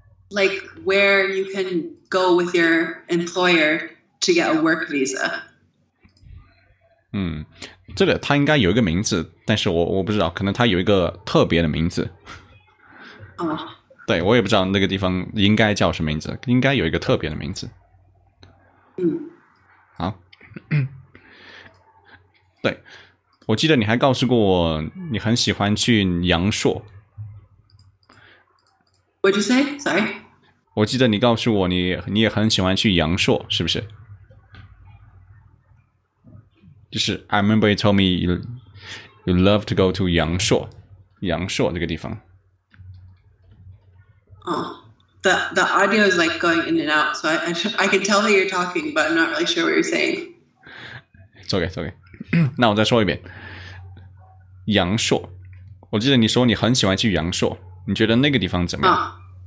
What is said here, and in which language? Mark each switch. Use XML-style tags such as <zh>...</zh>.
<en>Like where you can go with your employer to get a work visa.</en> <zh>嗯，这个它应该有一个名字，但是我不知道，可能它有一个特别的名字。哦，对，我也不知道那个地方应该叫什么名字，应该有一个特别的名字。嗯，好。对，我记得你还告诉过我，你很喜欢去阳朔。</zh> <en>What'd you say? Sorry.</en> <zh>我记得你告诉我你也很喜欢去阳朔，是不是？就是</zh> <en>I remember you told me you love to go to 阳朔，</en> <zh>阳朔这个地方。</zh> <en>Oh, the audio is like going in and out, so I can tell that you're talking, but I'm not really sure what you're saying. It's okay, it's okay.</en> <zh>那我再说一遍，阳朔。我记得你说你很喜欢去阳朔。你觉得那个地方怎么样？</zh>